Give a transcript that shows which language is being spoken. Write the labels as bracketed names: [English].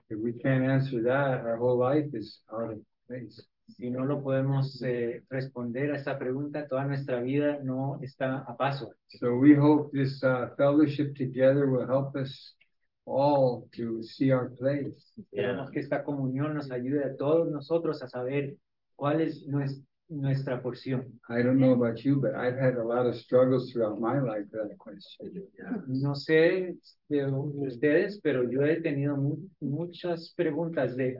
[English] If we can't answer that, our whole life is out of place. [Spanish] Si no lo podemos responder a esa pregunta, toda nuestra vida no está a paso. [English] So we hope this fellowship together will help us all to see our place. [Spanish] Queremos que esta comunión nos ayude a todos nosotros a saber cuál es nuestra porción. [English] I don't know about you, but I've had a lot of struggles throughout my life with that question. Yeah. [Spanish] No sé de ustedes, pero yo he tenido muchas preguntas